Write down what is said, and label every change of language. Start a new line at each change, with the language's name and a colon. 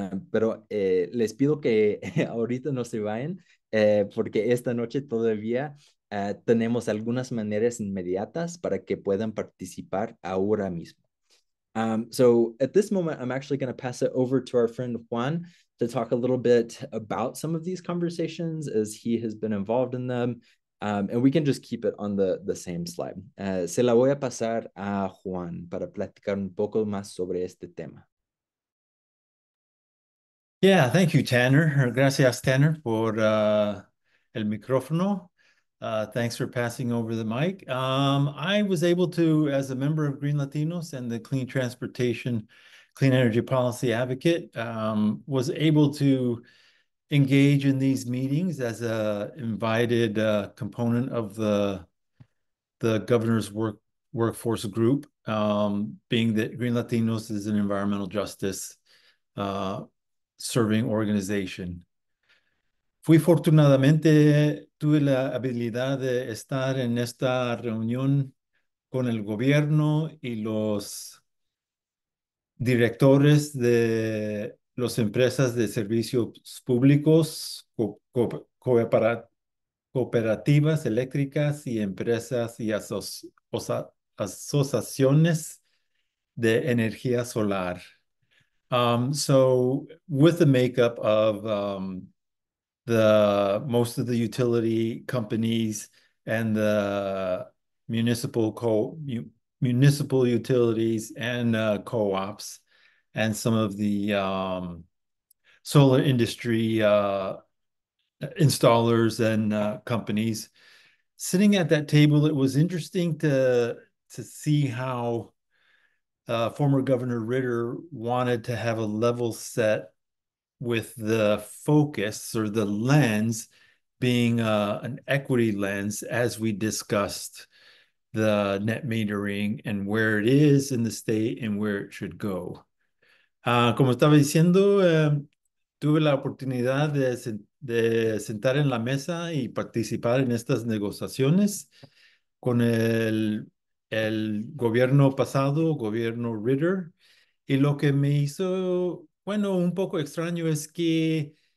Spanish: Pero les pido que ahorita no se vayan porque esta noche todavía tenemos algunas maneras inmediatas para que puedan participar ahora mismo.
English: So at this moment, I'm actually going to pass it over to our friend Juan to talk a little bit about some of these conversations as he has been involved in them. And we can just keep it on the same slide.
Spanish: Se la voy a pasar a Juan para platicar un poco más sobre este tema.
English: Yeah, thank you, Tanner.
Spanish: Gracias, Tanner, por el micrófono.
English: Thanks for passing over the mic. I was able to, as a member of Green Latinos and the Clean Transportation, Clean Energy Policy Advocate, was able to engage in these meetings as an invited component of the governor's workforce group, being that Green Latinos is an environmental justice serving organization.
Spanish: Fui afortunadamente tuve la habilidad de estar en esta reunión con el gobierno y los directores de las empresas de servicios públicos, cooperativas eléctricas y empresas y asociaciones the energía solar.
English: So with the makeup of most of the utility companies and the municipal utilities and co-ops and some of the solar industry installers and companies sitting at that table, it was interesting to see how former Governor Ritter wanted to have a level set with the focus or the lens being an equity lens as we discussed the net metering and where it is in the state and where it should go.
Spanish: Como estaba diciendo, tuve la oportunidad de sentar en la mesa y participar en estas negociaciones con el gobierno pasado, gobierno Ritter, y lo que me hizo, bueno, un poco extraño es que